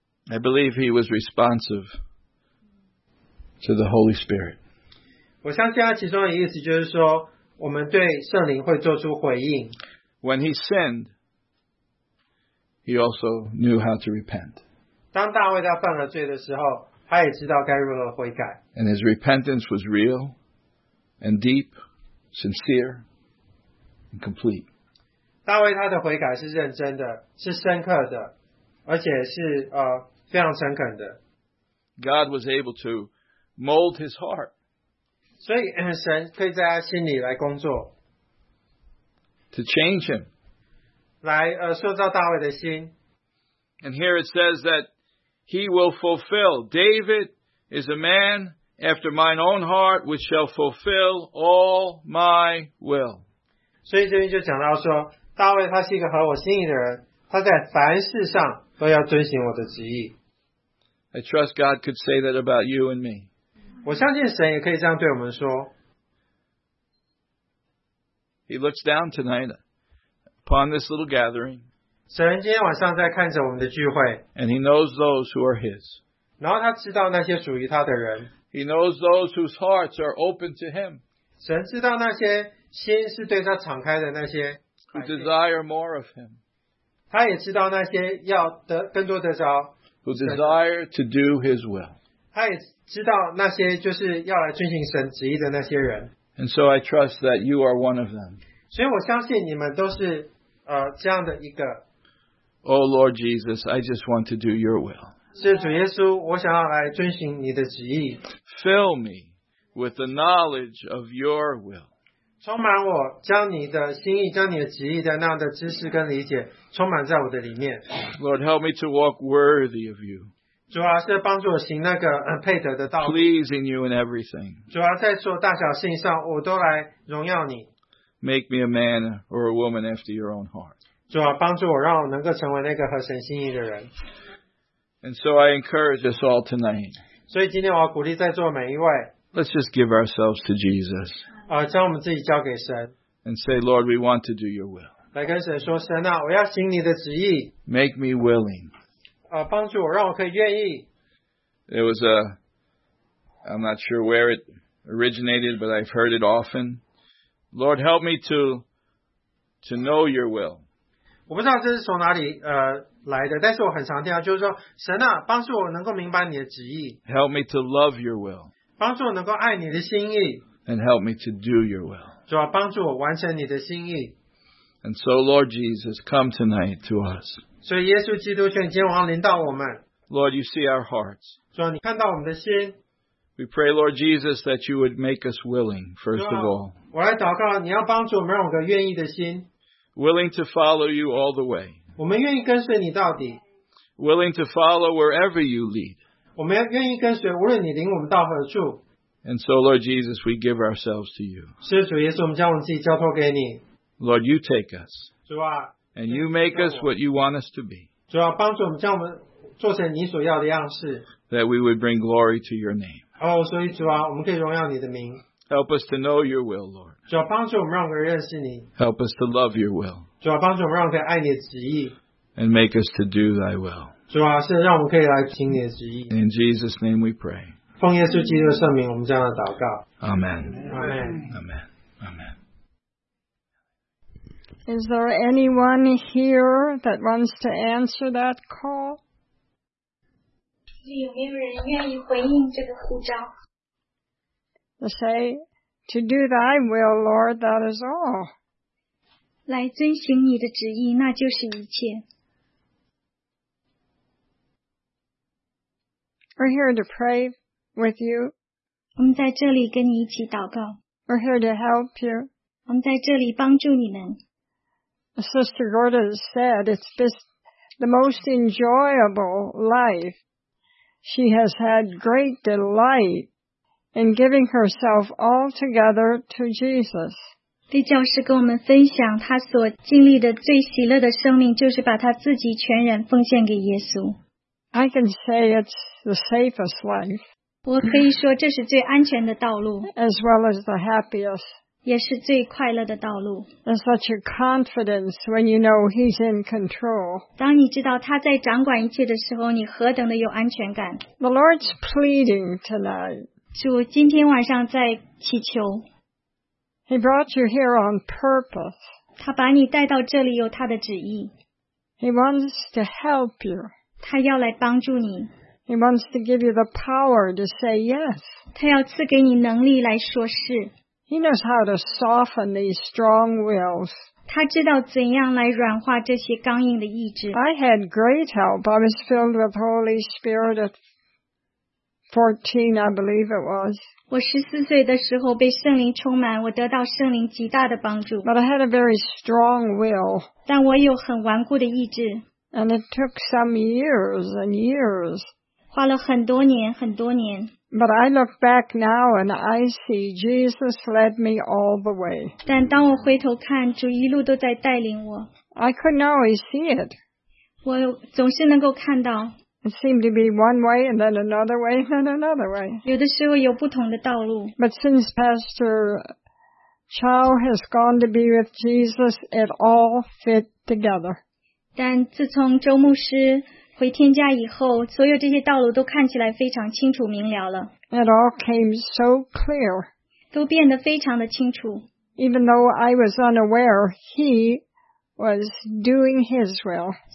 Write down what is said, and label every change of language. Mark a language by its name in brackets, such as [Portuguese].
[English] I believe he was responsive to the Holy Spirit. [Chinese] 我相信他其中的意思就是说我们对圣灵会做出回应。 [English] When he sinned, he also knew how to repent. [Chinese] 当大卫他犯了罪的时候他也知道该如何悔改。 [English] And his repentance was real and deep, sincere and complete. [Chinese] 大卫他的悔改是认真的是深刻的而且是非常诚恳的。 [English] God was able to mold his heart. [Chinese] 所以神可以在他心里来工作。 [English] To change him. [Chinese] 来塑造大卫的心。 [English] And here it says that he will fulfill. David is a man after mine own heart which shall fulfill all my will. [Chinese] 所以这边就讲到说大卫他是一个合我心意的人他在凡事上都要遵行我的旨意。 [English] I trust God could say that about you and me. [Chinese] 我相信神也可以这样对我们说。 [English] He looks down tonight upon this little gathering. [Chinese] 神今天晚上在看着我们的聚会。 [English] And he knows those who are his. [Chinese] 然后他知道那些属于他的人。 [English] He knows those whose hearts are open to him. [Chinese] 神知道那些心是对他敞开的那些。 [English] Who desire more of him. [Chinese] 他也知道那些要得更多得着。 [English] Who desire to do his will. [Chinese] 他也知道那些就是要来遵行神旨意的那些人。 [English] And so I trust that you are one of them. [Chinese] 所以我相信你们都是这样的一个。 [English] Oh Lord Jesus, I just want to do your will. [Chinese] 是主耶稣我想要来遵行你的旨意。 [English] Fill me with the knowledge of your will. [Chinese] 充满我将你的心意将你的旨意的那样的知识跟理解充满在我的里面。 [English] Lord, help me to walk worthy of you. [Chinese] 主啊是帮助我行那个配得的道。 [English] Pleasing you in everything. [Chinese] 主啊在做大小事情上我都来荣耀你。 [English] Make me a man or a woman after your own heart. [Chinese] 主啊帮助我让我能够成为那个合神心意的人。 [English] And so I encourage us all tonight. [Chinese] 所以今天我要鼓励在座每一位。 [English] Let's just give ourselves to Jesus. [Chinese] 将我们自己交给神。 [English] And say, Lord, we want to do your will. [Chinese] 来跟神说神啊我要行你的旨意。 [English] Make me willing. [Chinese] 帮助我让我可以愿意。 [English] There was I'm not sure where it originated, but I've heard it often. Lord, help me to know your will. [Chinese] 我不知道这是从哪里来的但是我很常听到就是说神啊帮助我能够明白你的旨意。 [English] Help me to love your will. [Chinese] 帮助我能够爱你的心意。 [English] And help me to do your will. [Chinese] 主啊帮助我完成你的心意。 [English] And so, Lord Jesus, come tonight to us. [Chinese] 所以耶稣基督圣经王临到我们。 [English] Lord, you see our hearts. [Chinese] 主啊你看到我们的心。 [English] We pray, Lord Jesus, that you would make us willing, first of all. [Chinese] 我来祷告你要帮助我们让我们愿意的心。 [English] Willing to follow you all the way. [Chinese] 我们愿意跟随你到底。 [English] Willing to follow wherever you lead. [Chinese] 我们愿意跟随无论你领我们到何处。 [English] And so, Lord Jesus, we give ourselves to you. [Chinese] 是主耶稣我们将我们自己交托给你。 [English] Lord, you take us. [Chinese] 主啊, [English] and you make us what you want us to be. [Chinese] 主啊, 帮助我们将我们做成你所要的样式。 [English] That we would bring glory to your name. [Chinese] 所以主啊, 我们可以荣耀你的名。 [English] Help us to know your will, Lord. [Chinese] 主啊, 帮助我们让我们认识你。 [English] Help us to love your will. [Chinese] 主啊, 帮助我们让我们可以爱你的旨意。 [English] And make us to do thy will. [Chinese] 主啊, 是让我们可以来听你的旨意。 [English] In Jesus' name we pray. [Chinese] 奉耶稣基督的圣名我们这样的祷告。 [English] Amen. Amen. Amen. Amen. Is there anyone here that wants to answer that call? [Chinese] 有没有人愿意回应这个呼召? [English] To say, to do thy will, Lord, that is all. [Chinese] 来遵行你的旨意,那就是一切。 [English] We're here to pray with you. [Chinese] 我们在这里跟你一起祷告。 [English] We're here to help you. [Chinese] 我们在这里帮助你们。 [English] Sister Gorda said, it's just the most enjoyable life. She has had great delight in giving herself altogether to Jesus. [Chinese] 李教师跟我们分享他所经历的最喜乐的生命就是把他自己全然奉献给耶稣。 [English] I can say it's the safest life. [Chinese] 我可以说这是最安全的道路。 [English] As well as the happiest. [Chinese] 也是最快乐的道路。 [English] There's such a confidence when you know he's in control. [Chinese] 当你知道他在掌管一切的时候,你何等的有安全感。 [English] The Lord's pleading tonight. [Chinese] 主今天晚上在祈求。 [English] He brought you here on purpose. [Chinese] 他把你带到这里有他的旨意。 [English] He wants to help you. [Chinese] 他要来帮助你。 [English] He wants to give you the power to say yes. [Chinese] 他要赐给你能力来说是。 [English] He knows how to soften these strong wills. [Chinese] 他知道怎样来软化这些刚硬的意志。 [English] I had great help. I was filled with Holy Spirit at 14, I believe it was. [Chinese] 我14岁的时候被圣灵充满,我得到圣灵极大的帮助。 [English] But I had a very strong will. [Chinese] 但我有很顽固的意志。 [English] And it took some years and years. [Chinese] 花了很多年。 [English] But I look back now and I see Jesus led me all the way. [Chinese] 但当我回头看,主一路都在带领我。 [English] I couldn't always see it. [Chinese] 我总是能够看到。 [English] It seemed to be one way and then another way and then another way. [Chinese] 有的时候有不同的道路。 [English] But since Pastor Chow has gone to be with Jesus, it all fit together. [Chinese] 但自从周牧师回天家以后,所有这些道路都看起来非常清楚明了了。 [English] It all came so clear. [Chinese] 都变得非常的清楚。 [English] Even though I was unaware, he was doing his will.